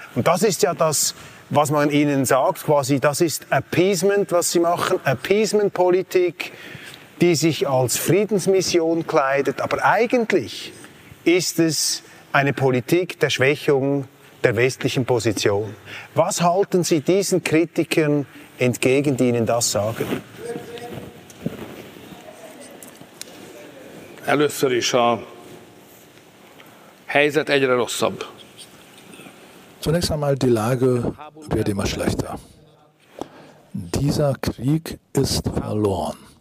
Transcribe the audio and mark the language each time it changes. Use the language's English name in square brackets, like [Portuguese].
[German] Und das ist ja das, was man ihnen sagt, quasi, das ist Appeasement, was sie machen, Appeasement-Politik, die sich als Friedensmission kleidet. Aber eigentlich ist es eine Politik der Schwächung der westlichen Position. Was halten Sie diesen Kritikern entgegen, die Ihnen das sagen? [Hungarian] Először is a helyzet egyre rosszabb. [German] Zunächst einmal, die Lage wird immer schlechter. Dieser Krieg ist verloren.